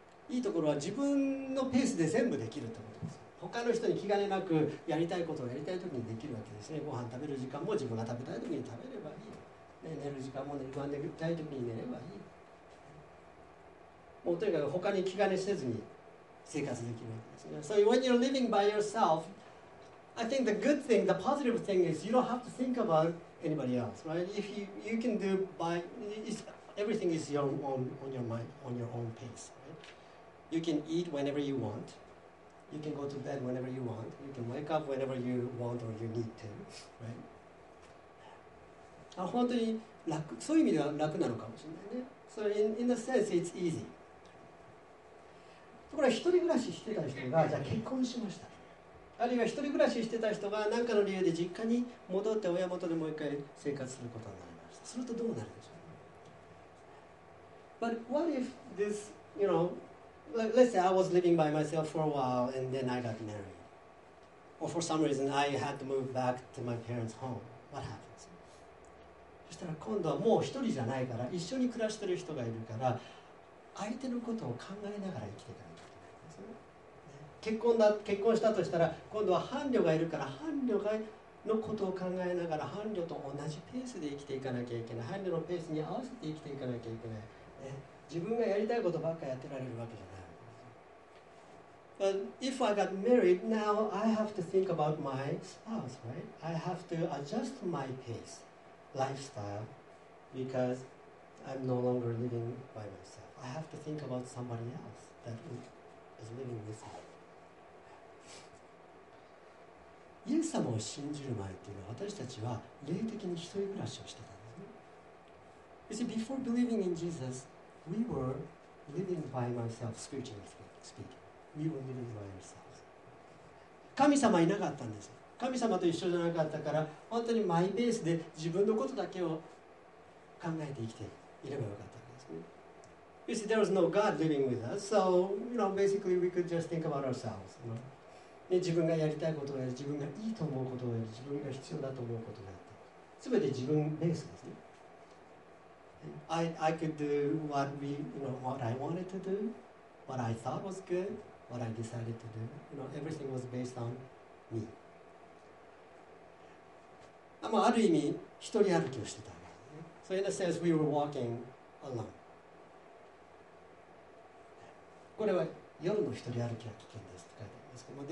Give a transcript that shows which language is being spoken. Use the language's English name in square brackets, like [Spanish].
[Japanese] いいところは自分のペースで全部できるってことです。他の人に気兼ねなくやりたいことをやりたいときにできるわけですね。ご飯食べる時間も自分が食べたいときに食べればいい、ね、寝る時間も寝る時間に寝ればいい、もうとにかく他に気兼ねせずに生活できるわけですね。 [English] So when you're living by yourself, I think the good thing, the positive thing is you don't have to think about anybody else, right? If you can do by, everything is your own, on your mind, on your own pace. You can eat whenever you want. You can go to bed whenever you want. You can wake up whenever you want or you need to, right? [Japanese] 本当に楽、そういう意味では楽なのかもしれないね。 [English] So in a sense, it's easy. [Japanese] ところが一人暮らししてた人が、じゃあ結婚しました。あるいは一人暮らししてた人が何かの理由で実家に戻って親元でもう一回生活することになりました。するとどうなるでしょう。 [English] But what if this, you know,Let's say I was living by myself for a while and then I got married. Or for some reason I had to move back to my parents' home. What happens? [Japanese] そしたら今度はもう一人じゃないから、一緒に暮らしてる人がいるから、相手のことを考えながら生きていかないといけないんですね。結婚だ、結婚したとしたら、今度は伴侶がいるから、伴侶がのことを考えながら、伴侶と同じペースで生きていかなきゃいけない。伴侶のペースに合わせて生きていかなきゃいけない。ね、自分がやりたいことばっかりやってられるわけじゃない。 [English] But if I got married, now I have to think about my spouse, right? I have to adjust my pace, lifestyle, because I'm no longer living by myself. I have to think about somebody else that is living with me. [Japanese] イエス様を信じる前っていうのは、私たちは霊的に一人暮らしをしてたんですね。 [English] You see, before believing in Jesus,We were living by myself, spiritually speaking. We were living by ourselves. [Japanese] 神様いなかったんです。神様と一緒じゃなかったから、本当にマイペースで自分のことだけを考えて生きていればよかったんですね。 [English] You see, there was no God living with us, so, you know, basically we could just think about ourselves. You know? [Japanese] 自分がやりたいことをやる、自分がいいと思うことをやる、自分が必要だと思うことをやる。全て自分ベースですね。 [English] I could do what we, you know, what I wanted to do, what I thought was good, what I decided to do. You know, everything was based on me. [Japanese] まあある意味一人歩きをしてた。 [English] So in a sense, we were walking alone. [Japanese] これは夜の一人歩きは危険ですって書いてあります。